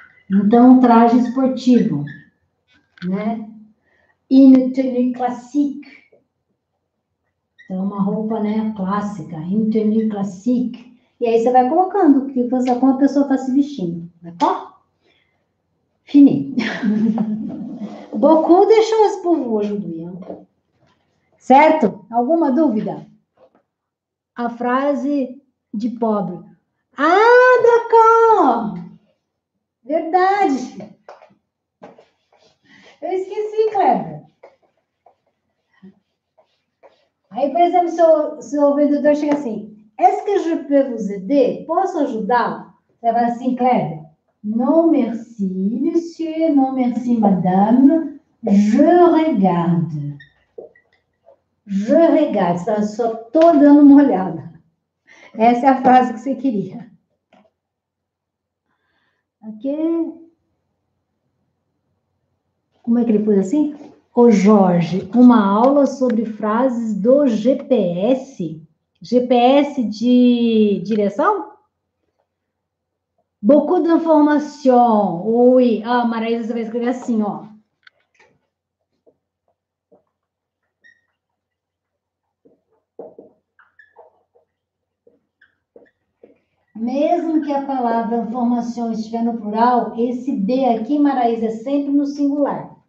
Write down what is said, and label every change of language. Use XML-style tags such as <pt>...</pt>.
<pt>Então, traje esportivo, né?</pt> <fr>Une tenue classique.</fr> <pt>Então, uma roupa, né, clássica, interne classique. E aí você vai colocando que você, como a pessoa está se vestindo, né?</pt> <fr>Ó, fini. Beaucoup de choses pour vous aujourd'hui.</fr> <pt>Certo? Alguma dúvida? A frase de pobre.</pt> <fr>Ah, d'accord! Verdade!</fr> <pt>Eu esqueci, Cleber. Aí, por exemplo, seu vendedor chega assim:</pt> <fr>Est-ce que je peux vous aider?</fr> <pt>Posso ajudá-lo? Você vai assim, Cleber:</pt> <fr>Non merci, monsieur, non merci, madame. Je regarde. Je regarde.</fr> <pt>Eu só estou dando uma olhada. Essa é a frase que você queria. Ok? Como é que ele pôs assim? Ô Jorge, uma aula sobre frases do GPS. GPS de direção?</pt> <fr>Beaucoup d'informations. Oui.</fr> <pt>Ah, Maraísa, você vai escrever assim, ó. Mesmo que a palavra informação estiver no plural, esse D aqui, Maraísa, é sempre no singular.</pt>